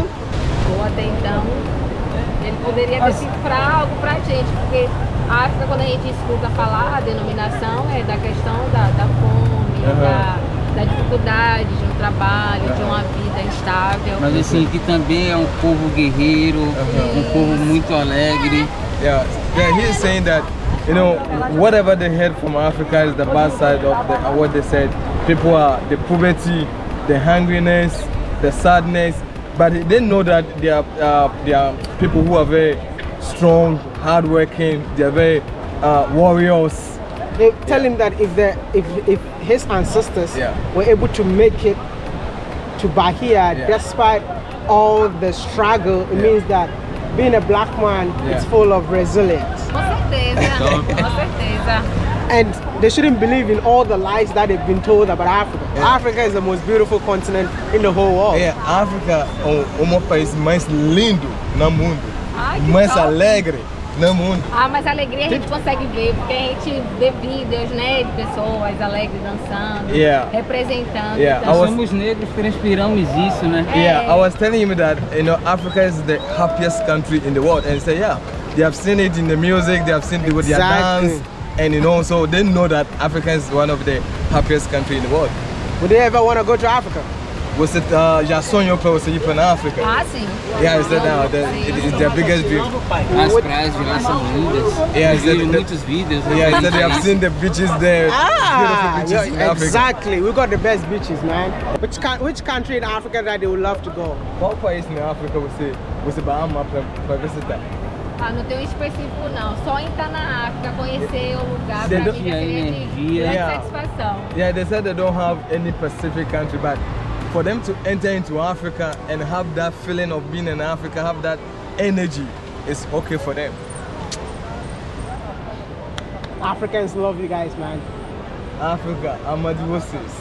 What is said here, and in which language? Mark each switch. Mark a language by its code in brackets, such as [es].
[pt] Ou até então, ele poderia decifrar algo pra gente, porque a África, quando a gente escuta falar, a denominação é da questão da fome, da dificuldade de um trabalho, de uma vida estável. Mas assim, que também é um povo guerreiro, um povo muito alegre. [en] Yeah, he's saying that, you know, whatever they heard from Africa is the bad side of the, what they said. People are, the poverty, the hungriness, the sadness, but they know that they are people who are very strong, hardworking, they're very warriors. They tell him that if his ancestors were able to make it to Bahia despite all the struggle, it means that being a black man is full of resilience. And they shouldn't believe in all the lies that they've been told about Africa. Yeah. Africa is the most beautiful continent in the whole world. [pt] Yeah, Africa é o país mais lindo no mundo. Mais alegre no mundo. Ah, mas a alegria a gente consegue ver, porque a gente vê vídeos, né, de pessoas alegres dançando, representando. Nós somos negros, transpiramos isso, né? [en] I was telling him that, you know, Africa is the happiest country in the world. And he said, yeah, they have seen it in the music, they have seen it with their dance. And you know, so they know that Africa is one of the happiest countries in the world. Would they ever want to go to Africa? Was it your [pt] sonho para você ir para a África? Ah, sim. [en] Yeah, is that now? It's their biggest dream. [pt] As praias de lá são lindas. Muitos vídeos. [en] Yeah, is that they have seen the beaches there. Beautiful beaches in Africa. Exactly. We got the best beaches, man. Which country in Africa that they would love to go? [pt] Qual país na África você vai amar para visitar? Ah, não tem um específico não. Só entrar na África, conhecer o lugar, pra mim é grande satisfação. [en] Yeah, they said they don't have any specific country, but for them to enter into Africa and have that feeling of being in Africa, have that energy, it's okay for them. Africans love you guys, man. [pt] Africa, ama de vocês.